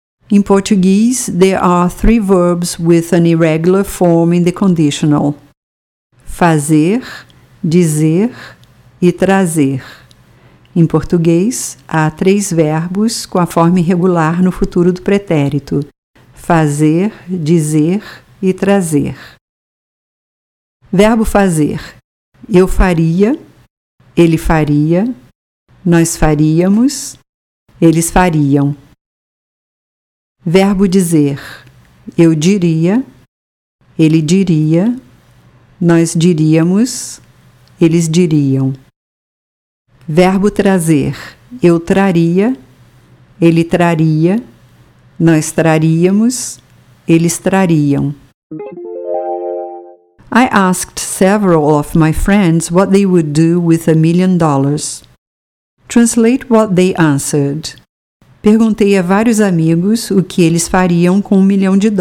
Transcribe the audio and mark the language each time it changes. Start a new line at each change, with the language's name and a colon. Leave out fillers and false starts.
English: In Portuguese, there are three verbs with an irregular form in the conditional.
Portuguese: Fazer, dizer e trazer. Em português, há três verbos com a forma irregular no futuro do pretérito. Fazer, dizer e trazer. Verbo fazer. Eu faria, ele faria, nós faríamos, eles fariam. Verbo dizer. Eu diria, ele diria, nós diríamos, eles diriam. Verbo trazer. Eu traria, ele traria, nós traríamos, eles trariam.
English: I asked several of my friends what they would do with $1 million. Translate what they answered.
Portuguese: Perguntei a vários amigos o que eles fariam com $1 million.